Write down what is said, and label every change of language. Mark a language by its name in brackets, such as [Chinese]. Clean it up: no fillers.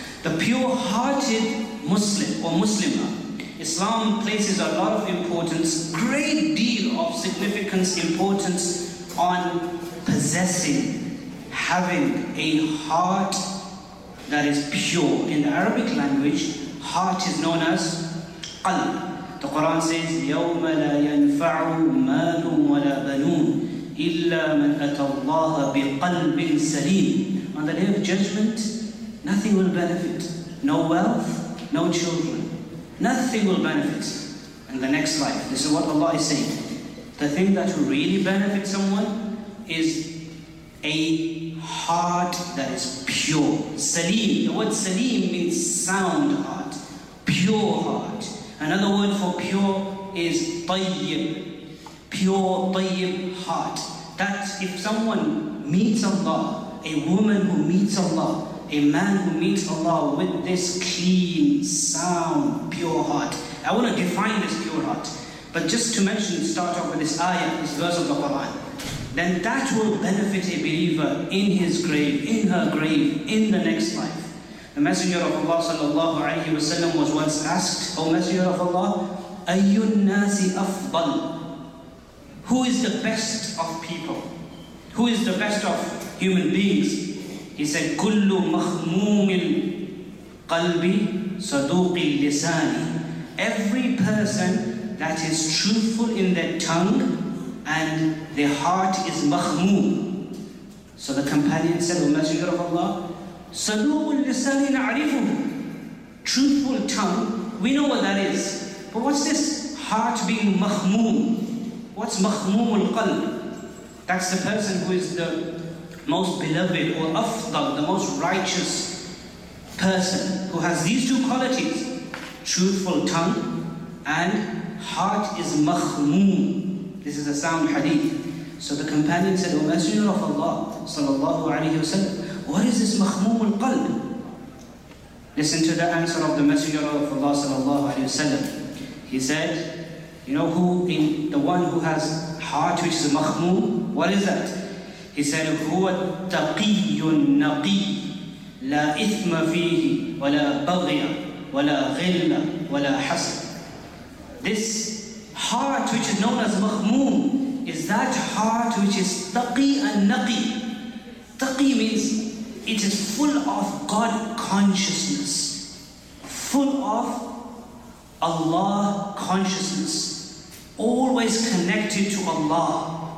[English] The pure-hearted Muslim or Muslimah, Islam places a lot of importance, great deal of significance, importance on possessing, having a heart that is pure. In the Arabic language, heart is known as qalb. The Quran says, [Arabic] يَوْمَ لَا يَنْفَعُ مَالٌ وَلَا بَنُونَ إِلَّا مَنْ أَتَى اللَّهَ بِقَلْبٍ سَلِيمٍ. [English] On the day of judgment, nothing will benefit. No wealth, no children. Nothing will benefit in the next life. This is what Allah is saying. The thing that will really benefit someone is a heart that is pure. Salim. The word salim means sound heart. Pure heart. Another word for pure is tayyib. Pure, tayyib heart. That if someone meets Allah, a woman who meets Allah, a man who meets Allah with this clean, sound, pure heart. I want to define this pure heart. But just to mention, start off with this ayah, this verse of the Quran. Then that will benefit a believer in his grave, in her grave, in the next life. The Messenger of Allah sallallahu alayhi wa sallam was once asked, O Messenger of Allah, [Arabic] أَيُّ النَّاسِ أَفْضَلُ. [English] Who is the best of people? Who is the best of human beings? He said, [Arabic] كُلُّ مَخْمُومٍ قَلْبِ صَدُوقِ لِسَانِ. [English] Every person that is truthful in their tongue and their heart is makhmoom. So the companion said, O Messenger of Allah, [Arabic] saluul lisani na'rifu. [English] Truthful tongue, we know what that is. But what's this heart being makhmoom? What's makhmoomul qalb? That's the person who is the most beloved or afdal, the most righteous person who has these two qualities, truthful tongue and heart is makhmoom. This is a sound hadith. So the companion said, O Messenger of Allah sallallahu alayhi wa sallam, what is this makhmoom al-qalb? Listen to the answer of the Messenger of Allah sallallahu alayhi wa sallam. He said, you know who, in the one who has heart which is makhmoom, what is that? He said, [Arabic] هُوَ التَّقِيُّ النَّقِيُّ لَا إِثْمَ فِيهِ وَلَا بَغْيَ وَلَا غِلَّ وَلَا حَسْرَ. [English] This heart which is known as makhmoom is that heart which is taqi and naqi. Taqi means it is full of God consciousness, full of Allah consciousness, always connected to Allah.